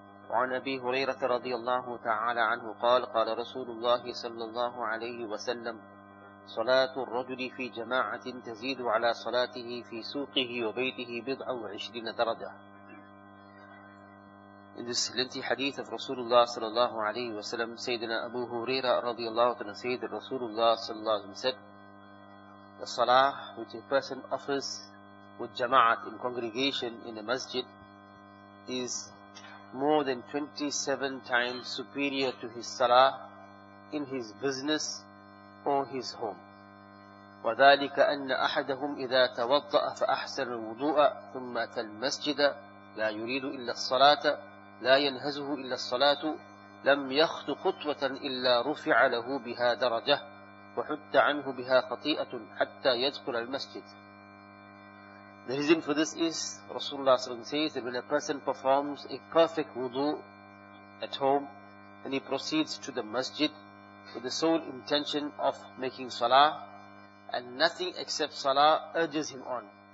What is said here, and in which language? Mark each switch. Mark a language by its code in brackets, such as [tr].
[ar] وعن أبي هريرة رضي الله تعالى عنه قال قال رسول الله صلى الله عليه وسلم صلاة الرجل في جماعة تزيد على صلاته في سوقه وبيته بضع وعشرين درجة. [en] In this lengthy hadith of Rasulullah sallallahu alayhi wa sallam, Sayyidina Abu Huraira radiallahu ta'ala said that Rasulullah sallallahu alayhi wa sallam said, the salah which a person offers with jama'at in congregation in a masjid is more than 27 times superior to his salah in his business or his home. [ar] وَذَلِكَ أَنَّ أَحَدَهُمْ إِذَا تَوَضَّأَ فَأَحْسَنَ الْوُضُوءَ ثُمَّ أَتَى الْمَسْجِدَ لَا يُرِيدُ إِلَّا الصَّلَاةَ لا ينهزه إلا الصلاة لم يخط خطوة إلا رفع له بها درجة وحد عنه بها خطيئة حتى يدخل المسجد. [en] The reason for this is Rasulullah صلى الله عليه وسلم says that when a person performs a perfect wudu at home and he proceeds to the masjid with the sole intention of making salah and nothing except salah urges him on.